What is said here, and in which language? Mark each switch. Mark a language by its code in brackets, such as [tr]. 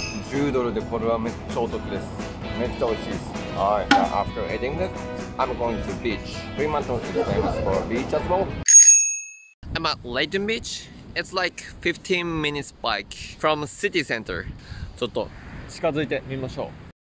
[ja] 10ドルでこれはめっちゃお得です。めっちゃ美味しいです。はい。 [en] After eating this, I'm going to beach. Fremantle is famous for beach as well. I'm at Leyden Beach. It's like 15 minutes bike from city center. [ja] ちょっと近づいてみましょう。